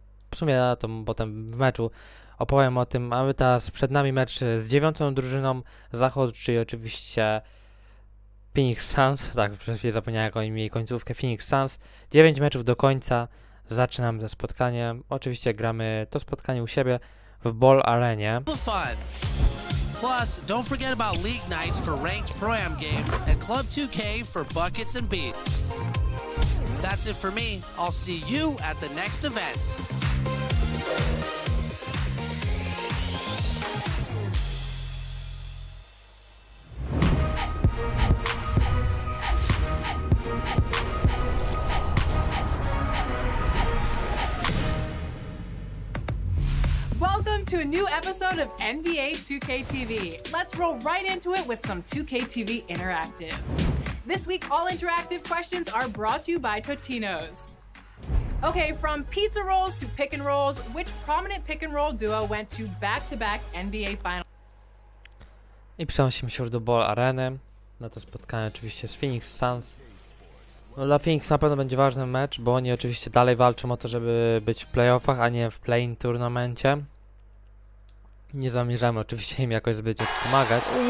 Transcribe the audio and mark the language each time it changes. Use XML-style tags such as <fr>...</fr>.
<pl>W sumie na to potem w meczu opowiem o tym. Mamy teraz przed nami mecz z dziewiątą drużyną Zachodu, czyli oczywiście Phoenix Suns. Tak, przez chwilę zapomniałem o imię i końcówkę. Phoenix Suns. 9 meczów do końca. Zaczynamy ze spotkania. Oczywiście gramy to spotkanie u siebie w Ball Arenie.</pl> <en>Plus, don't forget about League Nights for ranked pro-am games and Club 2K for buckets and beats. That's it for me. I'll see you at the next event. Welcome to a new episode of NBA 2K TV. Let's roll right into it with some 2K TV interactive. This week, all interactive questions are brought to you by Totino's. Okay, from pizza rolls to pick and rolls, which prominent pick and roll duo went to back-to-back NBA Finals?</en> <pl>I przenosimy się już do Ball Areny na to spotkanie oczywiście z Phoenix Suns. No, dla Phoenix na pewno będzie ważny mecz, bo oni oczywiście dalej walczą o to, żeby być w playoffach, a nie w play-in turnamencie. Nie zamierzamy oczywiście im jakoś zbyt pomagać.</pl>